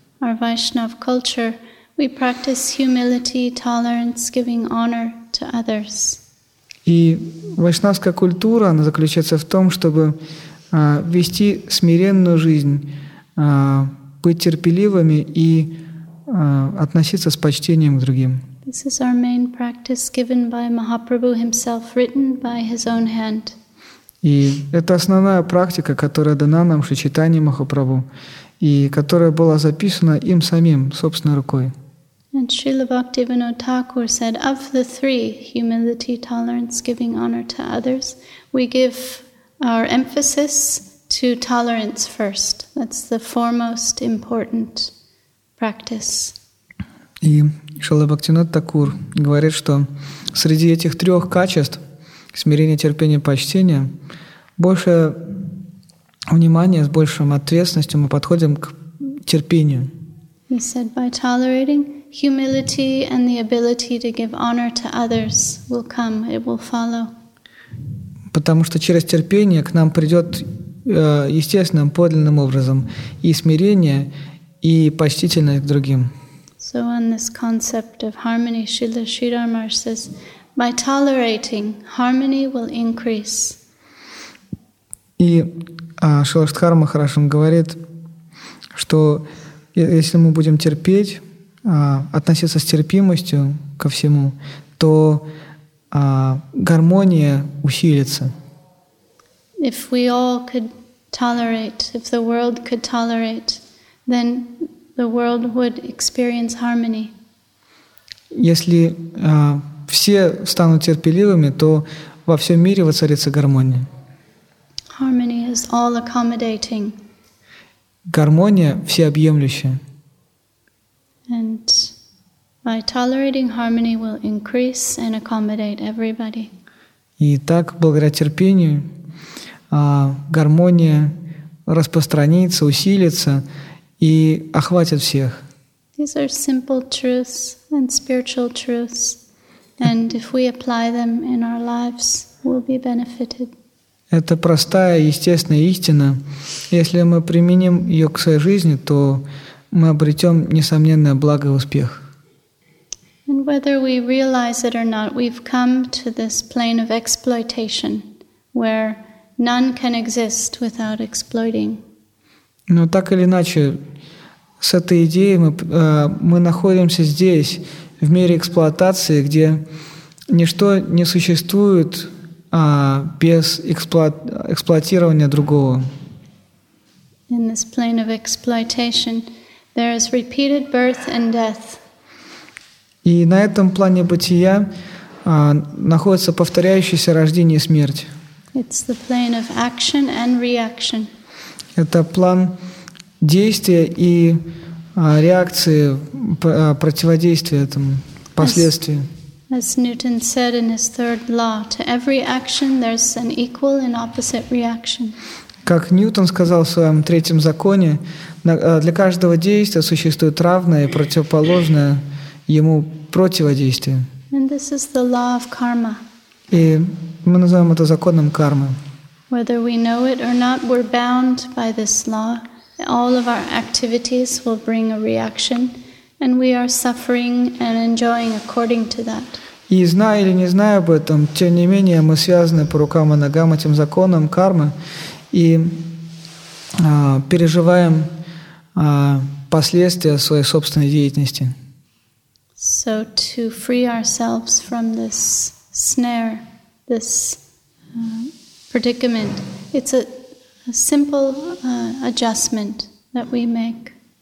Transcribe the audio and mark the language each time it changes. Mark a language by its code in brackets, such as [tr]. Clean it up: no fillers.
[en] Our Vaishnav culture, we practice humility, tolerance, giving honor to others. [ru] И вайшнавская культура, она заключается в том, чтобы вести смиренную жизнь, быть терпеливыми и относиться с почтением к другим. [en] This is our main practice given by Mahaprabhu himself, written by his own hand. [ru] И это основная практика, которая дана нам Шри Чайтанья Махапрабху, и которая была записана им самим, собственной рукой. [en] And Srila Bhaktivinoda Thakur said, of the three, humility, tolerance, giving honor to others, we give our emphasis to tolerance first. That's the foremost important practice. [ru] И Шрила Бхактивинода Такур говорит, что среди этих трех качеств – смирение, терпение, почтение – больше внимания, с большим ответственностью мы подходим к терпению. [en] He said, by tolerating, humility and the ability to give honor to others will come, it will follow. [ru] Потому что через терпение к нам придет естественным, подлинным образом и смирение, и почтительность к другим. [en] So on this concept of harmony, Srila Sridhar Maharaj says, by tolerating, harmony will increase. [ru] И Шрила Шридхара Махарадж говорит, что если мы будем терпеть, относиться с терпимостью ко всему, то гармония усилится. [en] If we all could tolerate, if the world could tolerate, then the world would experience harmony. [ru] Если все станут терпеливыми, то во всем мире воцарится гармония. [en] Harmony is all accommodating. [ru] Гармония всеобъемлющая. [en] And by tolerating, harmony will increase and accommodate everybody. [ru] И так, благодаря терпению, гармония распространится, усилится и охватит всех. [en] These are simple truths and spiritual truths, and if we apply them in our lives, we'll be benefited. [ru] Это простая, естественная истина. Если мы применим ее к своей жизни, то мы обретем несомненное благо и успех. [en] And whether we realize it or not, we've come to this plane of exploitation, where none can exist without exploiting. [ru] Но так или иначе, с этой идеей мы находимся здесь, в мире эксплуатации, где ничто не существует без эксплуатирования другого. [en] In this plane of exploitation, there is repeated birth and death. [ru] И на этом плане бытия находится повторяющееся рождение и смерть. [en] It's the plane of action and reaction. [ru] Это план действия и реакции, противодействия этому, последствия. [en] As Newton said in his third law, to every action there's an equal and opposite reaction. [ru] Как Ньютон сказал в своем третьем законе, для каждого действия существует равное и противоположное ему противодействие. [en] And this is the law of karma. [ru] И мы называем это законом кармы. [en] Whether we know it or not, we're bound by this law. All of our activities will bring a reaction, and we are suffering and enjoying according to that. [ru] И зная или не зная об этом, тем не менее, мы связаны по рукам и ногам этим законом кармы и переживаем последствия своей собственной деятельности. [en] So to free ourselves from this snare, this predicament, it's a simple adjustment that we make.